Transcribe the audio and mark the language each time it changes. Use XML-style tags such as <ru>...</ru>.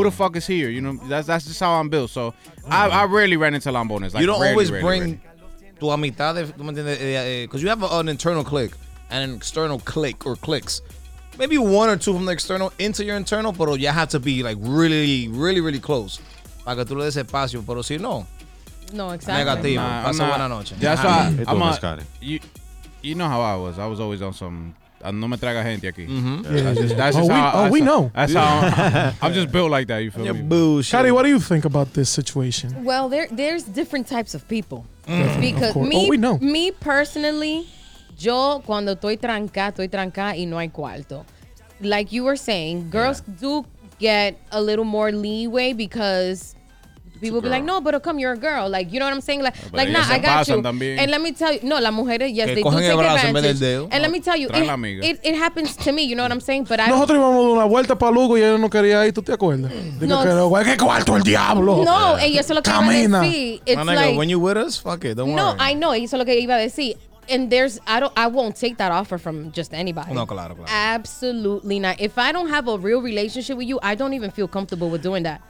<en>Who the fuck is here? You know, that's just how I'm built. So I rarely ran into lambones. You don't always bring</en> <es>tu amistad,</es> <en>because you have an internal clique. And an external click or clicks. Maybe one or two from the external into your internal, but you have to be like really, really, really close.</en> <es>Para que tú le des espacio, pero si no.</es> <en>No, exactly.</en> <es>Negativo. Pasa buena noche.</es> <en>That's why I'm a, you know how I was. I was always on some.</en> <es>No me traiga gente aquí.</es> <en>That's just how. Oh, we know. That's how I'm just built like that. You feel you're me? Bullshit. Shadi, what do you think about this situation? Well, there's different types of people. Because of course. Oh, we know. Me personally.</en> <es>Yo, cuando estoy tranca y no hay cuarto.</es> <en>Like you were saying, girls do get a little more leeway because people be like, no, pero come, you're a girl. Like, you know what I'm saying? Like nah, I got you.</en> <es>También.</es> <en>And let me tell you,</en> <es>no, las mujeres,</es> <en>yes, they do take advantage. And let me tell you, it happens to me, you know what I'm saying? But</en> <es>nosotros íbamos de una vuelta para Lugo y ella no quería ir, ¿tú te acuerdas? Digo, no, ¿qué cuarto el diablo? No, ella se lo que iba a decir.</es> <en>When you with us, fuck it, don't worry. No, I know,</en> <es>eso es lo que iba a decir.</es> <en>and there's I won't take that offer from just anybody.</en> <es>No, claro, claro.</es> <en>Absolutely not. If I don't have a real relationship with you, I don't even feel comfortable with doing that.</en>